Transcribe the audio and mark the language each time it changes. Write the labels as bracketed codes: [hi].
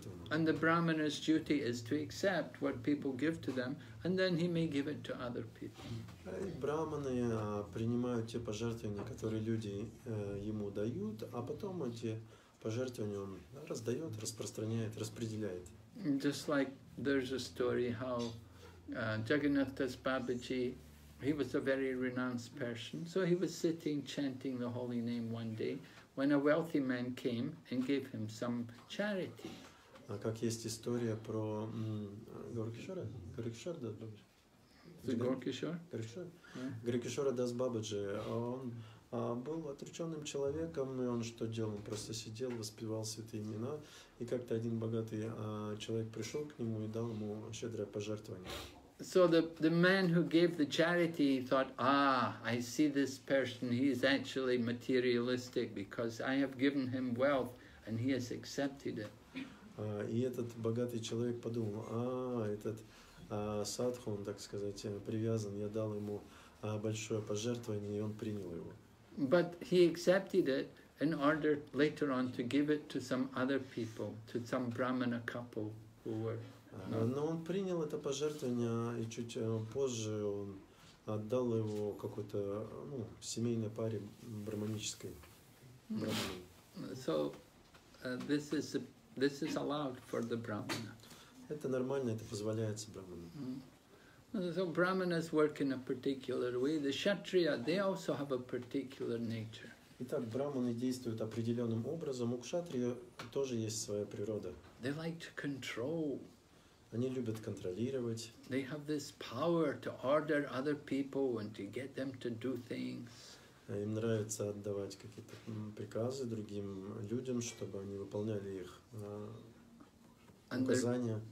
[en] And the brahmana's duty is to accept what people give to them, and then he may give it to other people. [ru] Брахманы принимают те пожертвования, которые люди ему дают, а потом эти пожертвования он раздает, распространяет, распределяет. [en] Just like there's a story how Jagannath Das Babaji, he was a very renounced person, so he was sitting chanting the holy name one day. When a wealthy man came and gave him some charity. [ru] Как есть история про Горкишора? Горкишора Дас Бабаджи. Горкишора Дас Бабаджи. Он был отреченным человеком, и он что делал? Он просто сидел, воспевал святые имена, и как-то один богатый человек пришел к нему и дал ему щедрое пожертвование. [en] So the man who gave the charity thought, I see this person, he is actually materialistic because I have given him wealth and he has accepted it. [ru] И этот богатый человек подумал, этот садху, он, так сказать, привязан, я дал ему большое пожертвование, и он принял его. [en] But he accepted it in order later on to give it to some other people, to some brahmana couple who were... [ru] Но он принял это пожертвование, и чуть позже он отдал его какой-то семейной паре брахманической. [en] So, this is allowed for the brahmana. [ru] Это нормально, это позволяет браманам. [en] So brahmanas work in a particular way. The kshatriya, they also have a particular nature. [ru] Итак, брахманы действуют определенным образом. У кшатрия тоже есть своя природа. [en] They like to control. [ru] Они любят контролировать. [en] They have this power to order other people and to get them to do things. [ru] Им нравится отдавать какие-то приказы другим людям, чтобы они выполняли их указания.